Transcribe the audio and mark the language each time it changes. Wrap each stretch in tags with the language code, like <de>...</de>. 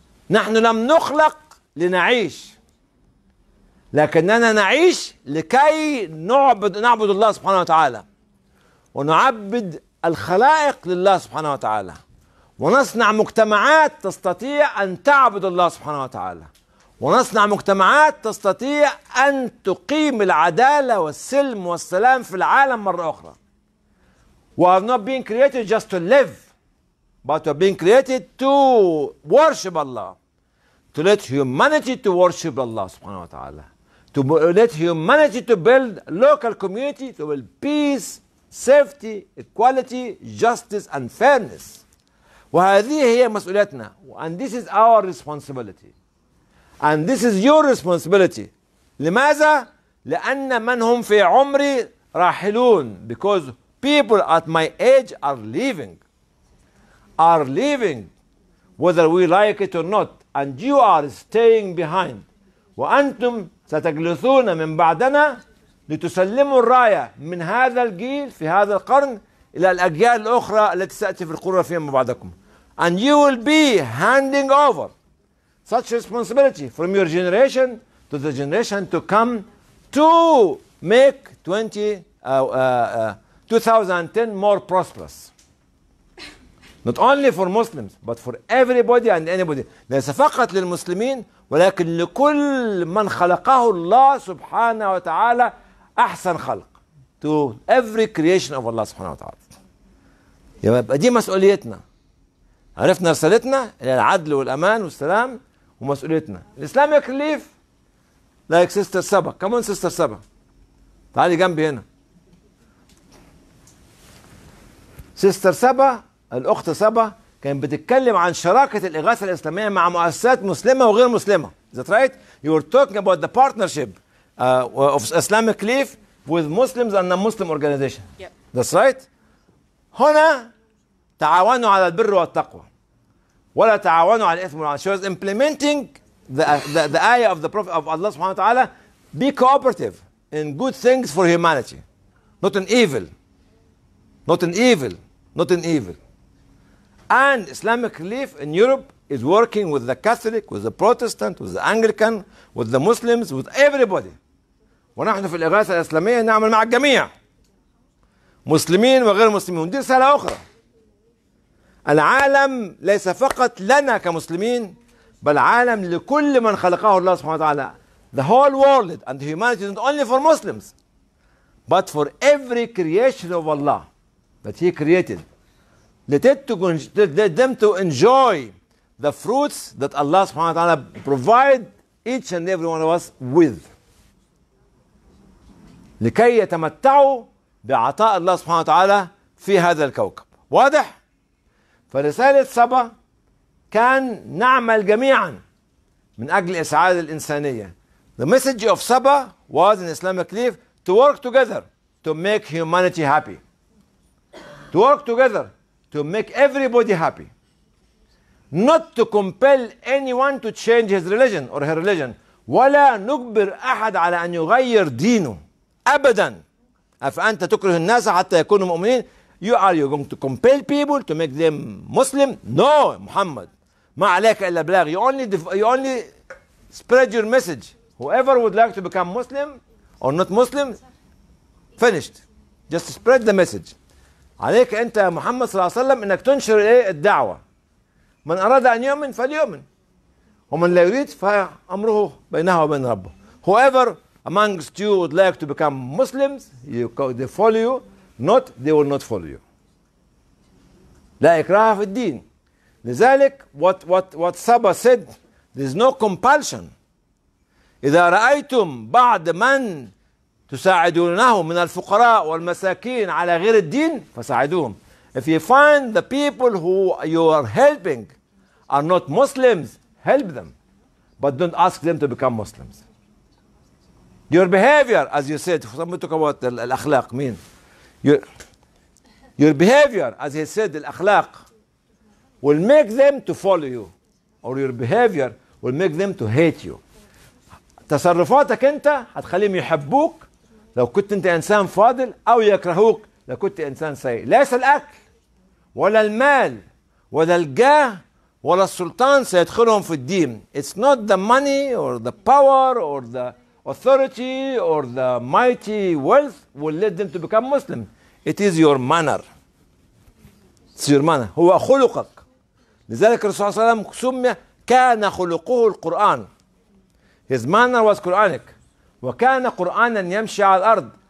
<ar>نحن لم نخلق لنعيش لكننا نعيش لكي نعبد الله سبحانه وتعالى ونعبد الخلائق لله سبحانه وتعالى ونصنع مجتمعات تستطيع أن تعبد الله سبحانه وتعالى ونصنع مجتمعات تستطيع أن تقيم العدالة والسلم والسلام في العالم مرة أخرى.</ar> <en>We have not been created just to live, but we have been created to worship Allah, to let humanity to worship Allah سبحانه وتعالى. To let humanity to build local community to build peace, safety, equality, justice, and fairness.</en> <ar>وهذه هي مسؤوليتنا.</ar> <en>And this is our responsibility. And this is your responsibility.</en> <ar>لماذا؟ لأن من هم في عمري راحلون.</ar> <en>Because people at my age are leaving. Are leaving. Whether we like it or not. And you are staying behind.</en> <ar>وأنتم ستجلسون من بعدنا لتسلموا الراية من هذا الجيل في هذا القرن إلى الأجيال الأخرى التي سأتي في القرى فيما بعدكم.</ar> <en>And you will be handing over such responsibility from your generation to the generation to come to make 2010 more prosperous. Not only for Muslims, but for everybody and anybody.</en> <ar>ليس فقط للمسلمين ولكن لكل من خلقه الله سبحانه وتعالى أحسن خلق.</ar> <en>To every creation of Allah سبحانه وتعالى.</en> <ar>يبقى دي مسؤوليتنا. عرفنا رسالتنا إلى العدل والأمان والسلام ومسؤوليتنا.</ar> <en>Islamic relief like Sister Saba. Come on Sister Saba.</en> <ar>تعالي جنبي هنا. Sister Saba الأخت سبا كانت بتتكلم عن شراكة الإغاثة الإسلامية مع مؤسسات مسلمة وغير مسلمة.</ar> <en>Is that right? You were talking about the partnership of Islamic Relief with Muslims and non-Muslim organization. Yep. That's right.</en> <ar>هنا تعاونوا على البر والتقوى ولا تعاونوا على الإثم والعدوان.</ar> <en>She was implementing the ayah of the Prophet of Allah سبحانه وتعالى. Be cooperative in good things for humanity. Not in evil. Not in evil. Not in evil. And Islamic Relief in Europe is working with the Catholic, with the Protestant, with the Anglican, with the Muslims, with everybody.</en> <ar>ونحن في الإغاثة الإسلامية نعمل مع الجميع مسلمين وغير مسلمين. دي رسالة أخرى. العالم ليس فقط لنا كمسلمين بل عالم لكل من خلقه الله سبحانه وتعالى.</ar> <en>The whole world and humanity is not only for Muslims but for every creation of Allah that he created. Let them to enjoy the fruits that Allah سبحانه وتعالى provide each and every one of us with.</en> <ar>لكي يتمتعوا بعطاء الله سبحانه وتعالى في هذا الكوكب. واضح؟ فرسالة سبا كان نعمل جميعا من أجل إسعاد الإنسانية.</ar> <en>The message of Saba was in Islamic Leaf to work together to make humanity happy. To work together to make everybody happy. Not to compel anyone to change his religion or her religion.</en> <ar>ولا نجبر أحد على أن يغير دينه. ابدا. افانت تكره الناس حتى يكونوا مؤمنين.</ar> <en>You are going to compel people to make them Muslim? No, محمد.</en> <ar>ما عليك الا بلاغ.</ar> <en>You only spread your message. Whoever would like to become Muslim or not Muslim, finished. Just spread the message.</en> <ar>عليك انت يا محمد صلى الله عليه وسلم انك تنشر الدعوه. من اراد ان يؤمن فليؤمن. ومن لا يريد فامره بينه وبين ربه.</ar> <en>Whoever amongst you would like to become Muslims, they follow you. Not, they will not follow you.</en> <ar>لا إكراه في الدين. لذلك</ar> <en>what Saba said, there is no compulsion.</en> <ar>إذا رأيتم بعض من تساعدونه من الفقراء والمساكين على غير الدين فساعدوهم.</ar> <en>If you find the people who you are helping are not Muslims, help them. But don't ask them to become Muslims. Your behavior, as you said, somebody talk about الأخلاق, mean your behavior, as he said, الأخلاق will make them to follow you, or your behavior will make them to hate you.</en> <ar>تصرفاتك أنت هتخليهم يحبوك لو كنت أنت إنسان فاضل أو يكرهوك لو كنت إنسان سيء. ليس الأكل ولا المال ولا الجاه ولا السلطان سيدخلهم في الدين.</ar> <en>It's not the money or the power or the authority or the mighty wealth will lead them to become Muslim. It is your manner. It's your manner.</en> <ar>هو خلقك. لذلك الرسول صلى الله عليه وسلم سمي كان خلقه القرآن.</ar> <en>His manner was Quranic.</en> <ar>وكان قرآنا يمشي على الأرض.</ar>